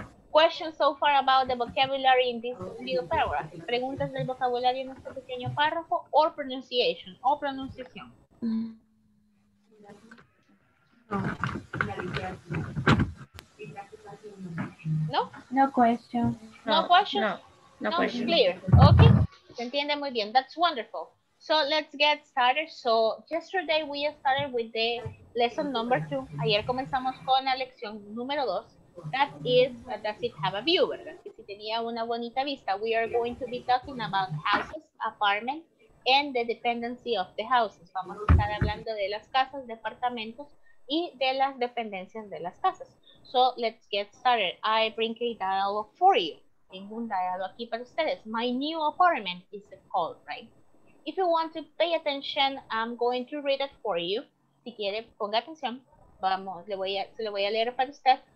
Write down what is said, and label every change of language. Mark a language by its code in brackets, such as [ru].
[en] Questions so far about the vocabulary in this little paragraph. [es] Preguntas del vocabulario en este pequeño párrafo [en] or pronunciation. [es] O pronunciación. No? [en] No questions. No questions? Clear. Okay. [es] Se entiende muy bien. [en] That's wonderful. So let's get started. So yesterday we started with the lesson number 2. [es] Ayer comenzamos con la lección número 2. [en] That is, does it have a view, [es] ¿verdad? Si tenía una bonita vista. [en] We are going to be talking about houses, apartments, and the dependency of the houses. [es] Vamos a estar hablando de las casas, departamentos, y de las dependencias de las casas. [en] So, let's get started. I bring a dialogue for you. [es] Tengo un dialogue aquí para ustedes. [en] My new apartment is called, right? If you want to pay attention, I'm going to read it for you. [es] Si quiere, ponga atención. Vamos, se lo voy a leer para usted.